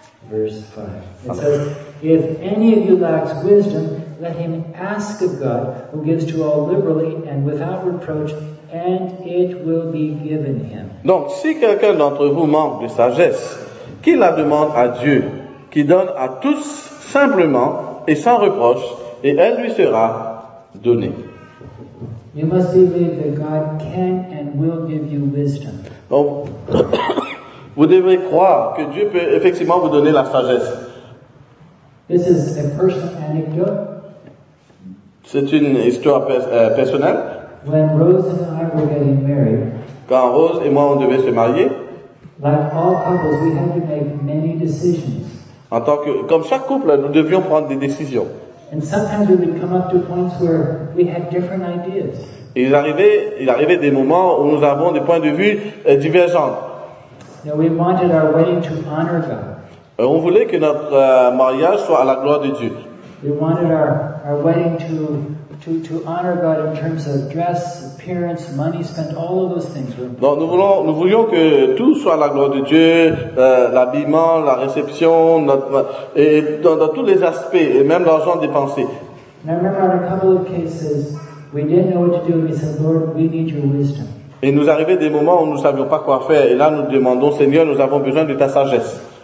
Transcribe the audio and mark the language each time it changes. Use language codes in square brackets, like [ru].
[en] If any of you lacks wisdom, let him ask of God, who gives to all liberally and without reproach, and it will be given him. [fr] Donc, si quelqu'un d'entre vous manque de sagesse, qu'il la demande à Dieu, qui donne à tous simplement et sans reproche, et elle lui sera donnée. [en] You must believe that God can and will give you wisdom. [fr] Donc, Vous devrez croire que Dieu peut effectivement vous donner la sagesse. [en] This is a personal anecdote. [fr] C'est une histoire personnelle. [en] When Rose and I were getting married, [fr] quand Rose et moi on devait se marier, [en] like all couples, we had to make many decisions. [fr] En tant que, comme chaque couple, nous devions prendre des décisions. [en] And sometimes we would come up to points where we had different ideas. [fr] Il arrivait des moments où nous avons des points de vue divergents. [en] Now we wanted our wedding to honor God. [fr] Et on voulait que notre mariage soit à la gloire de Dieu. [en] We wanted our wedding to honor God in terms of dress, appearance, money spent, all of those things. [fr] Donc nous voulions que tout soit à la gloire de Dieu, l'habillement, la réception, dans tous les aspects et même l'argent dépensé. [en] And I remember on a couple of cases we didn't know what to do. We said, Lord, we need your wisdom. [fr] Et nous arrivait des moments où nous ne savions pas quoi faire. Et là, nous demandons, Seigneur, nous avons besoin de ta sagesse.